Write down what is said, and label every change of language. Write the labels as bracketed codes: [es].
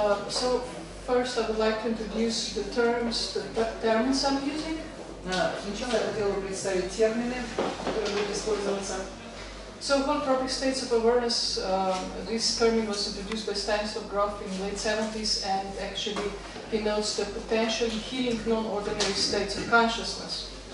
[en] So first I would like to introduce the terms, the terms I'm using. [ru] Сначала я хотела бы представить термины, которые будут использоваться. [en] So whole topic states of awareness, this term was introduced by Stanislav Grof in the late 70s and actually denotes the potential healing non-ordinary states of consciousness.